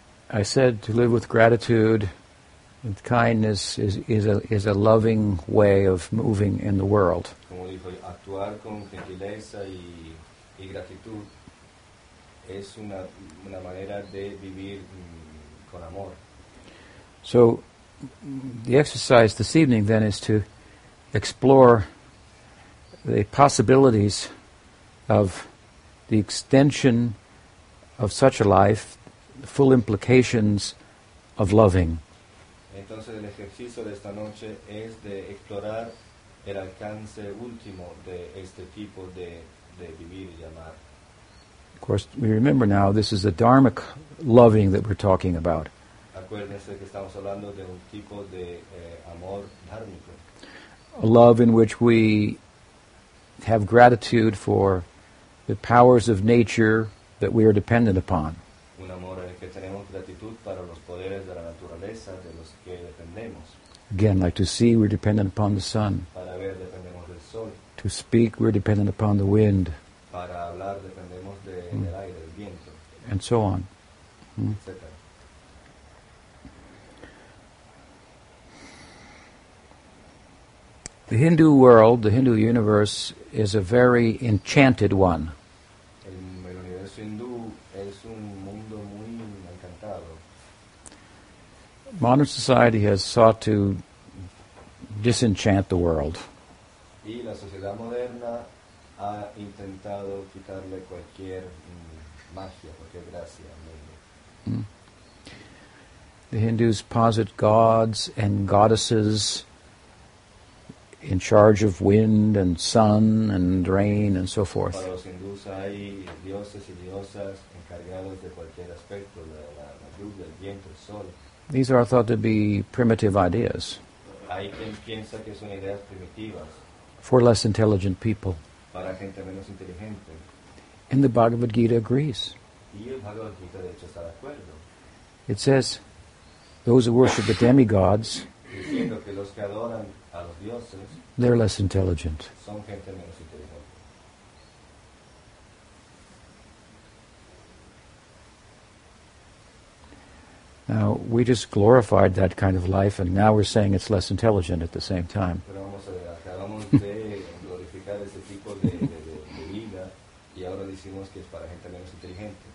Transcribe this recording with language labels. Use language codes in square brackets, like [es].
[en] I said to live with gratitude and kindness is a loving way of moving in the world. [es] Como dijo, actuar con gentileza y gratitud es una manera de vivir con amor. [en] So the exercise this evening then is to explore the possibilities of the extension of such a life, the full implications of loving. [es] Entonces el ejercicio de esta noche es de explorar el alcance último de este tipo de vivir y amar. [en] Of course, we remember now this is a dharmic loving that we're talking about. [es] Acuérdense que estamos hablando de un tipo de amor dármico. [en] A love in which we have gratitude for the powers of nature that we are dependent upon. [es] Un amor en el que tenemos gratitud para los poderes de la naturaleza de los que dependemos. [en] Again, like to see, we're dependent upon the sun. [es] Para ver, dependemos del sol. [en] To speak, we're dependent upon the wind. [es] Para hablar, dependemos de, del aire, del viento. [en] And so on. [es] Etc. [en] The Hindu world, the Hindu universe, is a very enchanted one. [es] El universo hindú es un mundo muy encantado. [en] Modern society has sought to disenchant the world. [es] Y la sociedad moderna ha intentado quitarle cualquier magia, cualquier gracia al mundo. [en] The Hindus posit gods and goddesses in charge of wind and sun and rain and so forth. [es] Para los hindús hay dioses y diosas encargados de cualquier aspecto, la lluvia, el viento, el sol. [en] These are thought to be primitive ideas. [es] Hay quien piensa que son ideas primitivas. [en] For less intelligent people. [es] Para gente menos inteligente. [en] And the Bhagavad Gita agrees. [es] Y el Bhagavad Gita de hecho está de acuerdo. [en] It says, those who worship the demigods, [es] diciendo que los que adoran a los dioses, [en] they're less intelligent. [es] Son gente menos inteligente. [en] Now, we just glorified that kind of life, and now we're saying it's less intelligent at the same time. [es] Pero vamos a ver, acabamos de glorificar ese tipo de vida, y ahora decimos que es para gente menos inteligente.